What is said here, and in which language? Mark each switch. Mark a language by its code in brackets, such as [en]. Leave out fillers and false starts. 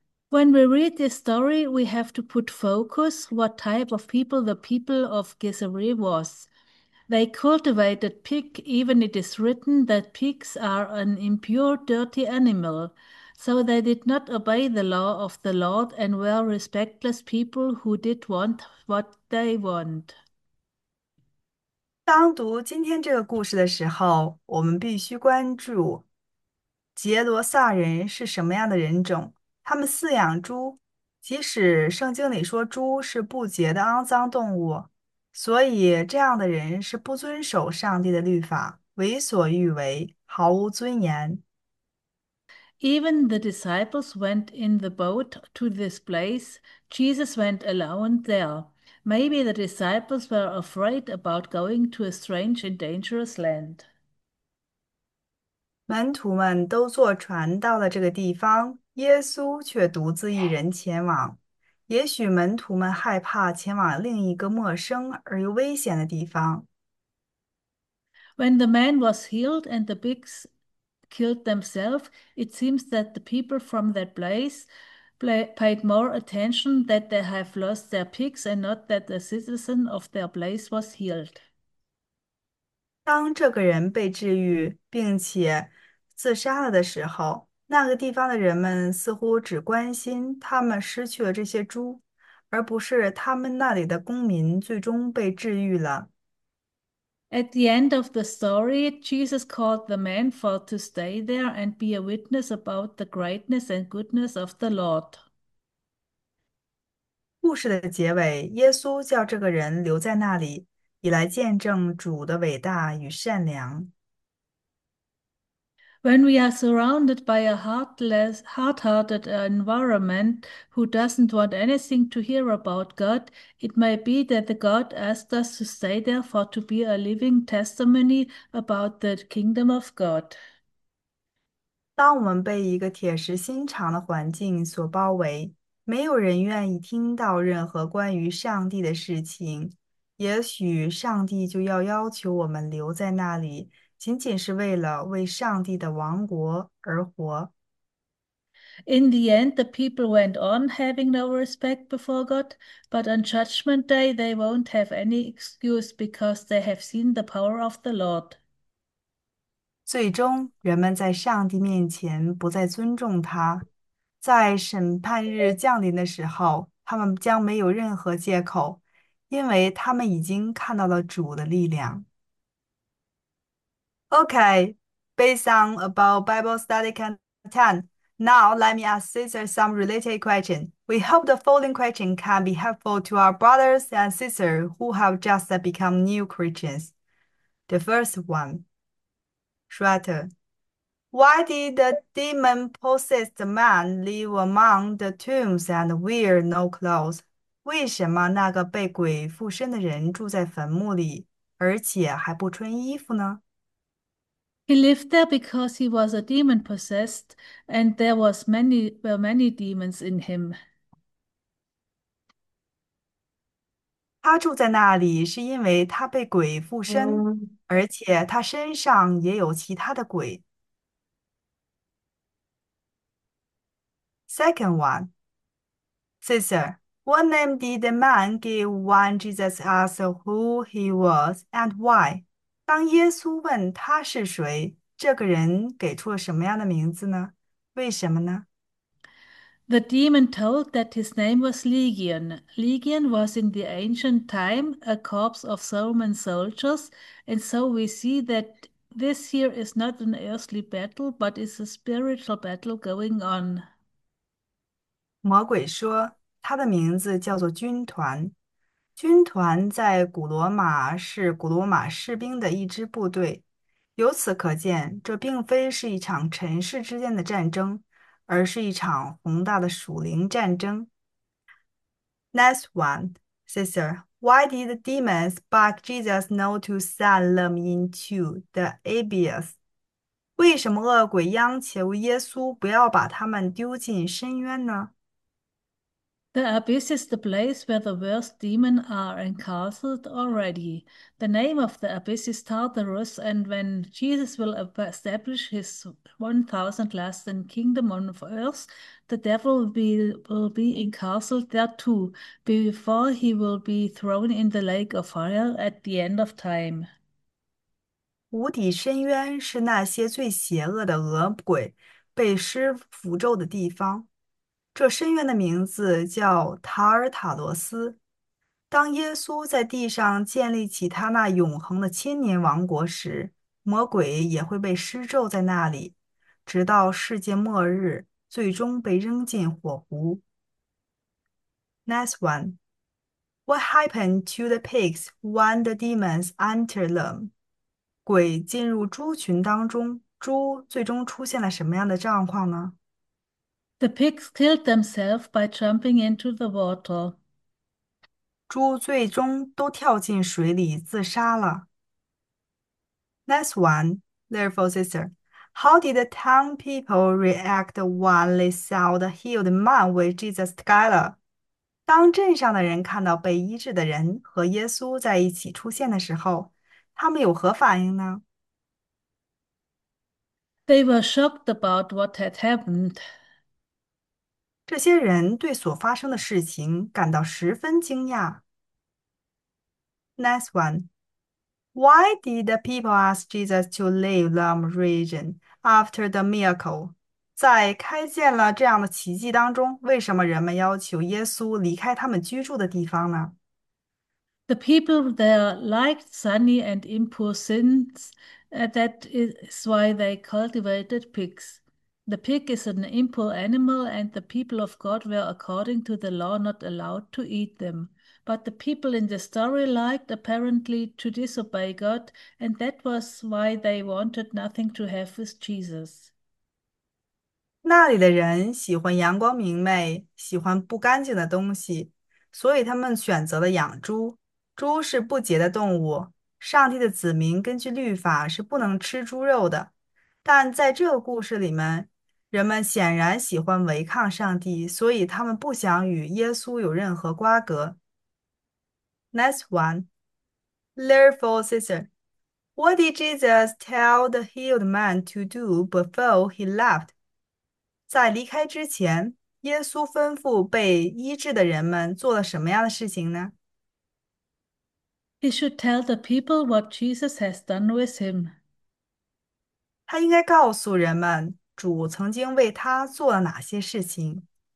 [en] When we read this story, we have to put focus what type of people the people of Gesere was. They cultivated pig, even it is written that pigs are an impure, dirty animal. So they did not obey the law of the Lord and were respectless people who did want what they want. [zh] 当读今天这个故事的时候，我们必须关注杰罗萨人是什么样的人种。他们饲养猪，即使圣经里说猪是不洁的肮脏动物，所以这样的人是不遵守上帝的律法，为所欲为，毫无尊严。 [en] Even the disciples went in the boat to this place. Jesus went alone there. Maybe the disciples were afraid about going to a strange and dangerous land. [zh] 门徒们都坐船到了这个地方，耶稣却独自一人前往。也许门徒们害怕前往另一个陌生而又危险的地方。 [en] When the man was healed and the pigs killed themselves, it seems that the people from that place paid more attention that they have lost their pigs and not that the citizen of their place was healed. [zh] 当这个人被治愈并且自杀了的时候，那个地方的人们似乎只关心他们失去了这些猪，而不是他们那里的公民最终被治愈了。 [en] At the end of the story, Jesus called the man for to stay there and be a witness about the greatness and goodness of the Lord. [zh] 故事的结尾，耶稣叫这个人留在那里。以来见证主的伟大与善良。 [en] When we are surrounded by a heartless, hard-hearted environment who doesn't want anything to hear about God, it may be that the God asked us to stay there for to be a living testimony about the kingdom of God. [zh] 当我们被一个铁石心肠的环境所包围，没有人愿意听到任何关于上帝的事情。也许上帝就要要求我们留在那里，仅仅是为了为上帝的王国而活。 [en] In the end, the people went on having no respect before God, but on Judgment Day they won't have any excuse because they have seen the power of the Lord. [zh] 最终，人们在上帝面前不再尊重他，在审判日降临的时候，他们将没有任何借口。因为他们已经看到了主的力量。 [en] Okay, based on about Bible study can attend, now let me ask sister some related question. We hope the following question can be helpful to our brothers and sisters who have just become new Christians. The first one, Shweta, why did the demon-possessed man live among the tombs and wear no clothes? [zh] 为什么那个被鬼附身的人住在坟墓里，而且还不穿衣服呢？ [en] He lived there because he was a demon possessed, and there was many, were many demons in him. [zh] 他住在那里是因为他被鬼附身，而且他身上也有其他的鬼。 [en] Second one, sister. What name did the man give when Jesus asked who he was and why? [zh] 当耶稣问他是谁，这个人给出了什么样的名字呢？为什么呢？ [en] The demon told that his name was Legion. Legion was in the ancient time a corps of Roman soldiers, and so we see that this here is not an earthly battle, but is a spiritual battle going on. [zh] 魔鬼说。他的名字叫做军团，军团在古罗马是古罗马士兵的一支部队。由此可见，这并非是一场城市之间的战争，而是一场宏大的属灵战争。 [en] Next one, sister, why did the demons beg Jesus not to send them into the abyss? [zh] 为什么恶鬼央求耶稣不要把他们丢进深渊呢？ [en] The abyss is the place where the worst demons are encastled already. The name of the abyss is Tartarus, and when Jesus will establish his 1,000 lasting kingdom on earth, the devil will be encastled there too, before he will be thrown in the lake of fire at the end of time. [zh] 无底深渊是那些最邪恶的恶鬼被施符咒的地方。这深渊的名字叫塔尔塔罗斯。当耶稣在地上建立起他那永恒的千年王国时，魔鬼也会被施咒在那里，直到世界末日，最终被扔进火湖。 [en] Next one. What happened to the pigs when the demons entered them? [zh] 鬼进入猪群当中，猪最终出现了什么样的状况呢？ [en] The pigs killed themselves by jumping into the water. [zh] 猪最终都跳进水里自杀了。 [en] Next one, therefore, sister, how did the town people react when they saw the healed man with Jesus together? [zh] 当镇上的人看到被医治的人和耶稣在一起出现的时候。他们有何反应呢？ [en] They were shocked about what had happened. [zh] 这些人对所发生的事情感到十分惊讶。 [en] Next one. Why did the people ask Jesus to leave the region after the miracle? [zh] 在开见了这样的奇迹当中，为什么人们要求耶稣离开他们居住的地方呢？ [en] The people there liked sunny and impure sins, and that is why they cultivated pigs. The pig is an impure animal, and the people of God were, according to the law, not allowed to eat them. But the people in the story liked, apparently, to disobey God, and that was why they wanted nothing to have with Jesus. [zh] 那里的人喜欢阳光明媚，喜欢不干净的东西，所以他们选择了养猪。猪是不洁的动物，上帝的子民根据律法是不能吃猪肉的。但在这个故事里面，人们显然喜欢违抗上帝，所以他们不想与耶稣有任何瓜葛。 [en] Next one, therefore, sister, what did Jesus tell the healed man to do before he left? [zh] 在离开之前，耶稣吩咐被医治的人们做了什么样的事情呢？ [en] He should tell the people what Jesus has done with him. [zh] 他应该告诉人们主曾经为他做了哪些事情。